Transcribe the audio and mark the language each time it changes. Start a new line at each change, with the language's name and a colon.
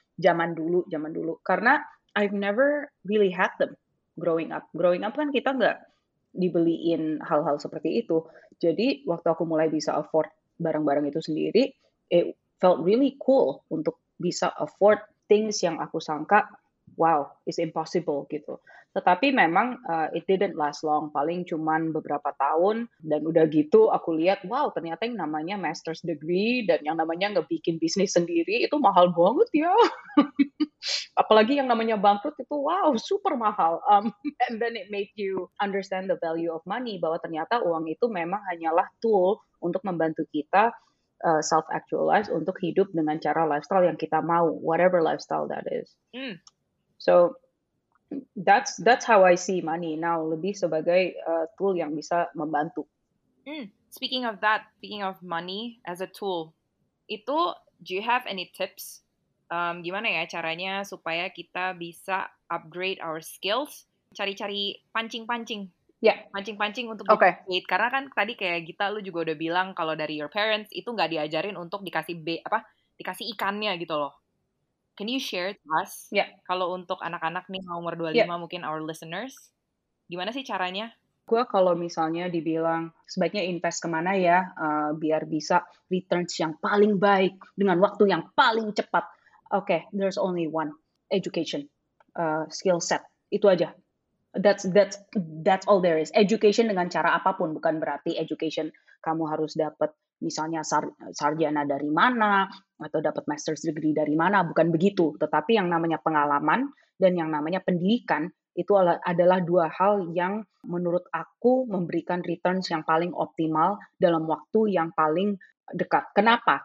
Indonesian: Zaman dulu, karena
English: I've never really had them growing up.
Indonesian: Growing up kan kita nggak dibeliin hal-hal seperti itu. Jadi waktu aku mulai bisa afford barang-barang itu sendiri,
English: it felt really cool
Indonesian: untuk bisa afford things yang aku sangka, wow,
English: it's impossible
Indonesian: gitu. Tetapi memang
English: it didn't last long,
Indonesian: paling cuman beberapa tahun, dan udah gitu aku lihat, wow, ternyata yang namanya master's degree dan yang namanya ngebikin bisnis sendiri itu mahal banget ya. Apalagi yang namanya bangkrut itu, wow, super mahal.
English: And then it made you understand the value of money,
Indonesian: bahwa ternyata uang itu memang hanyalah tool untuk membantu kita self-actualize, untuk hidup dengan cara lifestyle yang kita mau,
English: whatever lifestyle that is. Mm. So that's how I see money now,
Indonesian: lebih sebagai tool yang bisa membantu. Mm.
English: Speaking of money as a tool,
Indonesian: itu,
English: do you have any tips?
Indonesian: Gimana ya caranya supaya kita bisa
English: upgrade our skills,
Indonesian: cari-cari pancing-pancing.
English: Yeah.
Indonesian: Pancing-pancing untuk
English: okay.
Indonesian: Karena kan tadi kayak Gita, lu juga udah bilang kalau dari
English: your parents
Indonesian: itu nggak diajarin untuk dikasih ikannya gitu loh.
English: Can you share to us? Yeah.
Indonesian: Kalau untuk anak-anak nih umur 25, yeah, mungkin
English: our listeners,
Indonesian: gimana sih caranya? Gua kalau misalnya dibilang sebaiknya invest kemana ya, biar bisa returns yang paling baik dengan waktu yang paling cepat.
English: Okay, there's only one: education, skill set.
Indonesian: Itu aja.
English: That's all there is.
Indonesian: Education dengan cara apapun, bukan berarti education kamu harus dapat misalnya sarjana dari mana atau dapat master's degree dari mana, bukan begitu. Tetapi yang namanya pengalaman dan yang namanya pendidikan itu adalah dua hal yang menurut aku memberikan returns yang paling optimal dalam waktu yang paling dekat. Kenapa?